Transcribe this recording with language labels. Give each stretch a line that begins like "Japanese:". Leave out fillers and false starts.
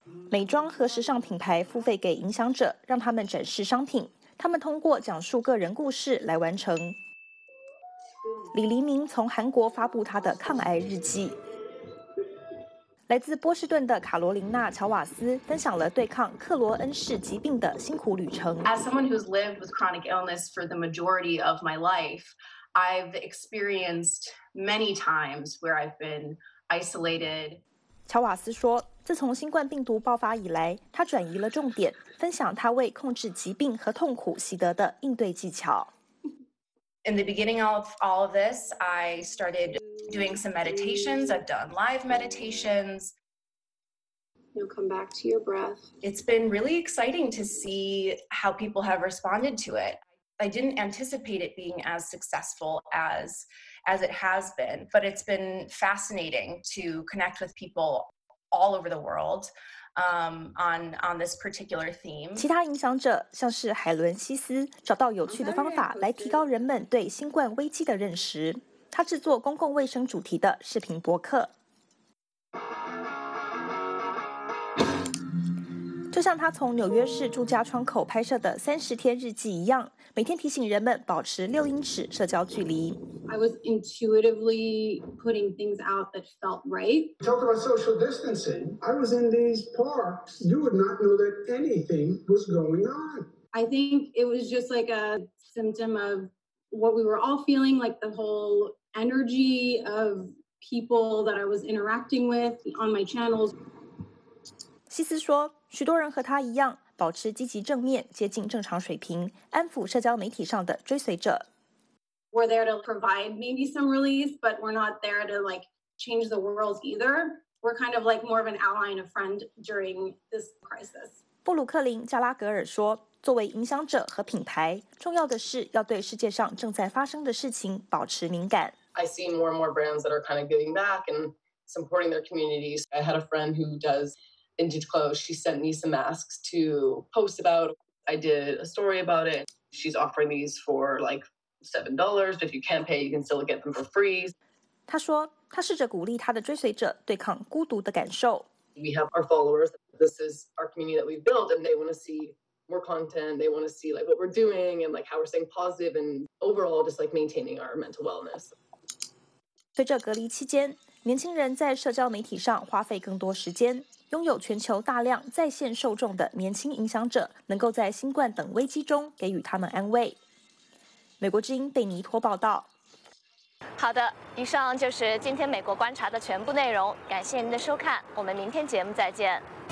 Chinese: 美妆和时尚品牌付费给影响者，让他们展示商品，他们通过讲述个人故事来完成。李黎明从韩国发布他的抗癌日记。来自波士顿的卡罗琳娜·乔瓦斯分享了对抗克罗恩氏疾病的辛苦旅程。
English: As someone who's lived with chronic illness for the majority of my life, I've experienced many times where I've been isolated.
Chinese: 乔瓦斯说，自从新冠病毒爆发以来，他转移了重点，分享他为控制疾病和痛苦习得的应对技巧。
English: In the beginning of all of this, I started doing some meditations. I've done live meditations. You'll come back to your breath. It's been really exciting to see how people have responded to it. I didn't anticipate it being as successful as it has been, but it's been fascinating to connect with people all over the world. On this particular theme.
Chinese: 其他影响者像是海伦·西斯找到有趣的方法来提高人们对新冠危机的认识。他制作公共卫生主题的视频博客。就像他从纽约市住家窗口拍摄的30天日记一样，每天提醒人们保持6英尺社交距离。
English: I was intuitively putting things out that felt right. Talk about social distancing. I was in these parks. You would not know that anything was going on. I think it was just like a symptom of what we were all feeling, like the whole energy of people that I was interacting with on my channels.
Chinese: 西斯说，许多人和他一样，保持积极正面，接近正常水平，安抚社交媒体上的追随者。
English: We're there to provide maybe some release, but we're not there to like change the world either. We're kind of like more of an ally and a friend during this crisis.
Chinese: 布鲁克林·加拉格尔说，作为影响者和品牌，重要的是要对世界上正在发生的事情保持敏感。
English: I see more and more brands that are kind of giving back and supporting their communities. I had a friend who does vintage clothes. She sent me some masks to post about. I did a story about it. She's offering these for like $7. If you can't pay, you can still get them for free.
Chinese: 他说，他试着鼓励他的追随者对抗孤独的感受。
English: We have our followers. This is our community that we've built, and they want to see more content. They want to see like what we're doing and like how we're staying positive and overall just like maintaining our mental wellness.
Chinese: 随着隔离期间，年轻人在社交媒体上花费更多时间。拥有全球大量在线受众的年轻影响者，能够在新冠等危机中给予他们安慰。美国之音贝尼托报道。好的，以上就是今天美国观察的全部内容，感谢您的收看，我们明天节目再见。